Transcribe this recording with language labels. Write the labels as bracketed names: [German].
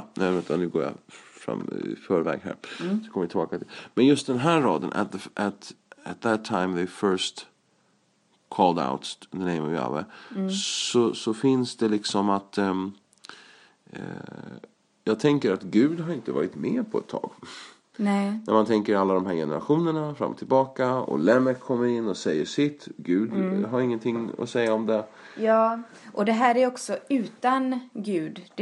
[Swedish] Nu går jag fram i förväg här. Mm. Så kommer vi tillbaka till. Men just den här raden, [English] at that time they first called out the name of Yahweh, [Swedish] mm. så finns det liksom att jag tänker att Gud har inte varit med på ett tag. Nej. När man tänker alla de här generationerna fram och tillbaka och Lemek kommer in och säger sitt, Gud har ingenting att säga om det. Ja, och det här är också utan Gud.